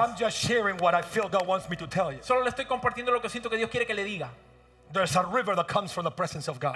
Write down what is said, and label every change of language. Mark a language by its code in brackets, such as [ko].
[en] I'm just sharing what I feel God wants me to tell you. [es] Solo le estoy compartiendo lo que siento que Dios quiere que le diga. [en] There's a river that comes from the presence of God.